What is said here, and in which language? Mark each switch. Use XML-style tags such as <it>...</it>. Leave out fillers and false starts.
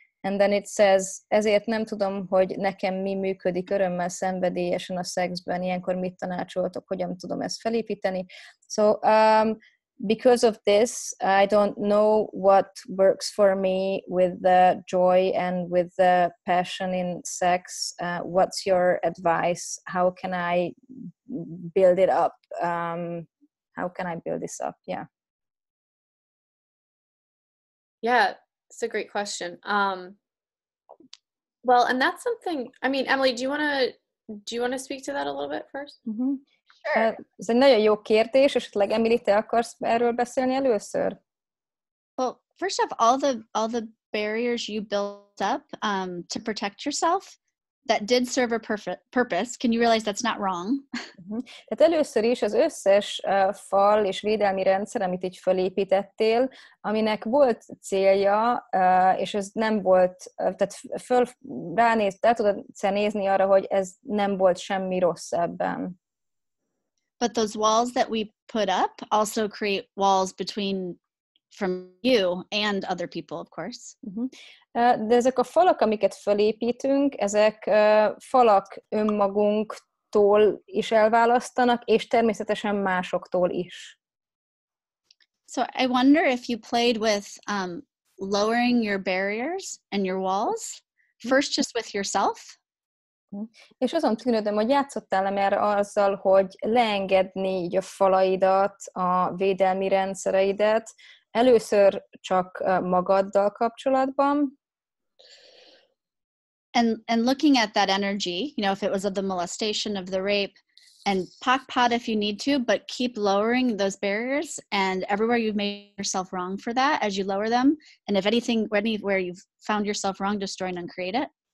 <en>And then it says,</en> <hu>ezért nem tudom, hogy nekem mi működik örömmel szenvedélyesen a szexben, ilyenkor mit tanácsoltok, hogyan tudom ezt felépíteni.</hu> <en>So, because of this, I don't know what works for me with the joy and with the passion in sex. What's your advice? How can I build it up? How can I build this up? Yeah. Yeah, it's a great question. Well, and that's something, I mean, Emily, do you want to speak to that a little bit first? Mm-hmm. Sure.</en> <hu>Ez egy nagyon jó kérdés, és esetleg Emily, te akarsz erről beszélni először?</hu> <en>Well, first off, all the barriers you built up to protect yourself that did serve a purpose, can you realize that's not wrong? Uh-huh.</en> <hu>Tehát először is az összes fal és védelmi rendszer, amit így felépítettél, aminek volt célja, és ez nem volt, tehát föl ránézt, el tudod nézni arra, hogy ez nem volt semmi rossz ebben.</hu> <en>But those walls that we put up also create walls between from you and other people, of course. Mm-hmm.</en> <hu>De ezek a falak, amiket felépítünk, ezek falak önmagunktól is elválasztanak, és természetesen másoktól is.</hu> <en>So I wonder if you played with lowering your barriers and your walls, first just with yourself.</en> <hu>És azon tűnődöm, hogy játszottál-e már azzal, hogy leengedni így a falaidat, a védelmi rendszereidet, először csak magaddal kapcsolatban.</hu> <en>And looking at that energy, you know, if it was of the molestation, of the rape, and pock-pot if you need to, but keep lowering those barriers, and everywhere you've made yourself wrong for that, as you lower them, and if anything, anywhere you've found yourself wrong, destroy and uncreate it.</en>